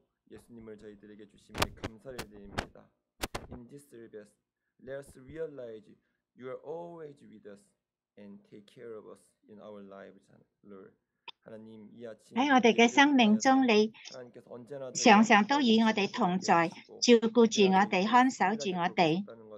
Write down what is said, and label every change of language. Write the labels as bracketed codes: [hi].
[ko] 예수님을 저희들에게 주심에 감사를 드립니다. [en] In this service, let us realize you are always with us and take care of us in our lives, Lord. [ko] 하나님, 이 아침 [zh] 在我们的生命中，你常常都与我们同在，照顾着我们，看守着我